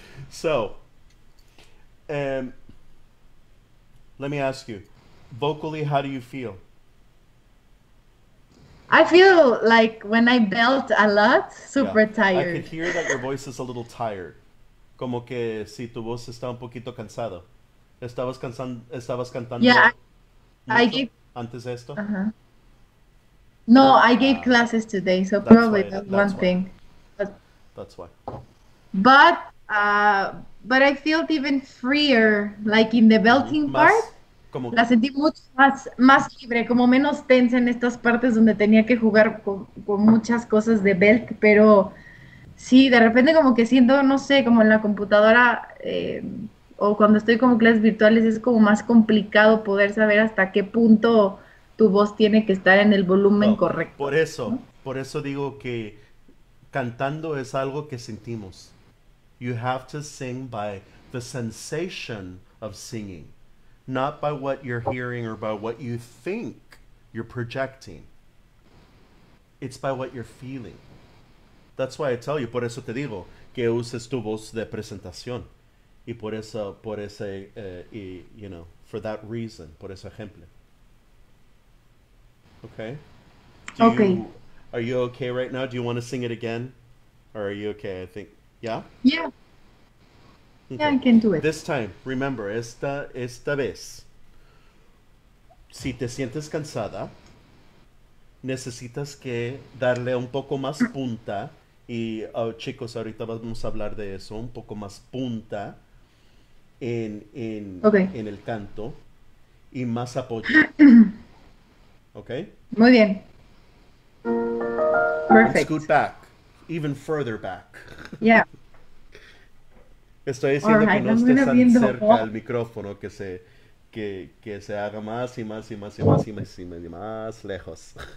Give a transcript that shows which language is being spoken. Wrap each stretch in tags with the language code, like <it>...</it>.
<en>So, let me ask you, vocally, how do you feel? I feel like when I belt a lot, super tired. I can hear that your voice is a little tired.</en> <es>Como que si tu voz está un poquito cansado. Estabas cansando, estabas cantando.</es> <en>Yeah,</en> <es>antes de esto. Uh-huh.</es> <en>No, I gave classes today, so that's probably why, that's one why. Thing. But, that's why. But I felt even freer, like in the belting part.</en> <es>Como, la sentí mucho más libre, como menos tensa en estas partes donde tenía que jugar con muchas cosas de belt, pero sí, de repente como que siento, no sé, como en la computadora o cuando estoy como clases virtuales, es como más complicado poder saber hasta qué punto tu voz tiene que estar en el volumen correcto. Por eso, ¿no? Por eso digo que cantando es algo que sentimos.</es> <en>You have to sing by the sensation of singing, not by what you're hearing or by what you think you're projecting. It's by what you're feeling. That's why I tell you,</en> <es>por eso te digo, que uses tu voz de presentación. Y por eso,</es> <en>you know, for that reason,</en> <es>por ese ejemplo.</es> <en>Okay? Okay. Are you okay right now? Do you want to sing it again? Or are you okay, I think? Yeah? Yeah. Okay. Yeah, I can do it. This time, remember,</en> <es>esta vez, si te sientes cansada, necesitas que darle un poco más punta, y chicos, ahorita vamos a hablar de eso, un poco más punta en el canto, y más apoyo.</es> <en>Okay?</en> <es>Muy bien.</es> <en>Perfect. And scoot back, even further back. Yeah.</en> <es>Estoy diciendo que no estés tan cerca al micrófono, que se haga más y más y más y más y más y más, y más lejos.</es>